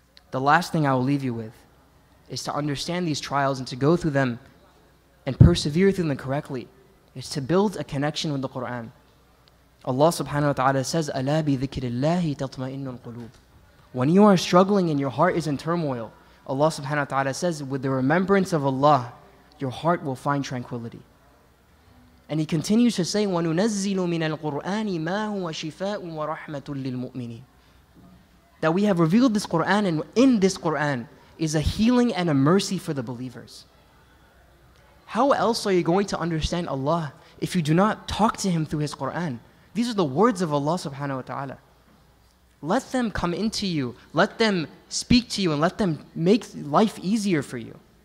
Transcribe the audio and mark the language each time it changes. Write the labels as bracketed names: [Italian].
[English] The last thing I will leave you with is to understand these trials and to go through them and persevere through them correctly. It's to build a connection with the Quran. Allah subhanahu wa ta'ala says, [Arabic] أَلَا بِذِكِرِ اللَّهِ تَطْمَئِنُّ الْقُلُوبِ. [English] When you are struggling and your heart is in turmoil, Allah subhanahu wa ta'ala says, with the remembrance of Allah, your heart will find tranquility. And he continues to say, [Arabic] وَنُنَزِّلُ مِنَ الْقُرْآنِ مَا هُوَ شِفَاءٌ وَرَحْمَةٌ لِلْمُؤْمِنِينَ. [English] That we have revealed this Quran, and in this Quran is a healing and a mercy for the believers. How else are you going to understand Allah if you do not talk to Him through His Quran? These are the words of Allah subhanahu wa ta'ala. Let them come into you, let them speak to you, and let them make life easier for you.